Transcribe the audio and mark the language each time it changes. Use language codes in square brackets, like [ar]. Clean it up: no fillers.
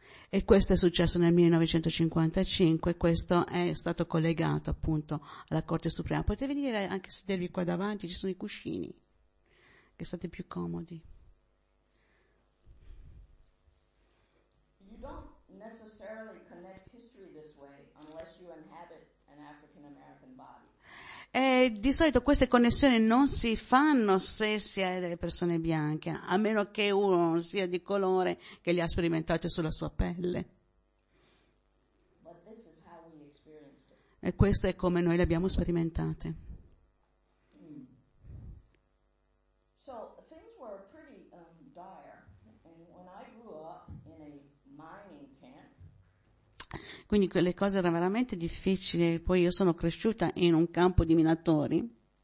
[it] E questo è successo nel 1955, questo è stato collegato appunto alla Corte Suprema. Potete venire anche a sedervi qua davanti, ci sono i cuscini, che state più comodi. [en] You don't necessarily connect history this way unless you inhabit an African-American body. [it] E di solito queste connessioni non si fanno se si è delle persone bianche, a meno che uno non sia di colore che li ha sperimentate sulla sua pelle. [en] But this is how we experienced it. [it] E questo è come noi le abbiamo sperimentate. [en] So things were pretty dire. And when I grew up in a mining camp. [it] Quindi quelle cose erano veramente difficili. Poi io sono cresciuta in un campo di minatori.